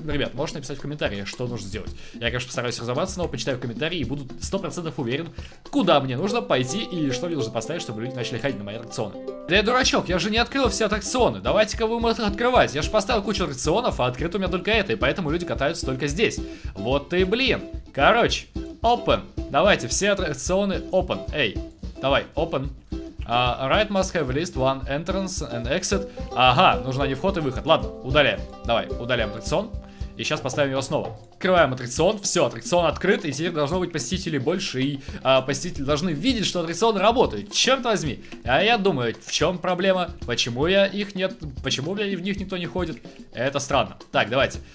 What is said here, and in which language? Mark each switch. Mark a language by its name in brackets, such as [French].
[Russian] Ребят, можешь написать в комментарии, что нужно сделать. Я, конечно, постараюсь разобраться, но почитаю в комментарии и буду 100% уверен, куда мне нужно пойти и что мне нужно поставить, чтобы люди начали ходить на мои аттракционы. Да я дурачок, я же не открыл все аттракционы. Давайте-ка будем их открывать. Я же поставил кучу аттракционов, а открыто у меня только это, и поэтому люди катаются только здесь. Вот и блин. Короче, open. Давайте, все аттракционы open. Эй, давай, open. [English] Right must have at least one entrance and exit. [Russian] Ага, нужно не вход и выход. Ладно, удаляем. Давай, удаляем аттракцион. И сейчас поставим его снова. Открываем аттракцион. Все, аттракцион открыт. И теперь должно быть посетителей больше. И посетители должны видеть, что аттракцион работает. Черт возьми. А я думаю, в чем проблема? Почему я их нет? Почему в них никто не ходит? Это странно. Так, давайте.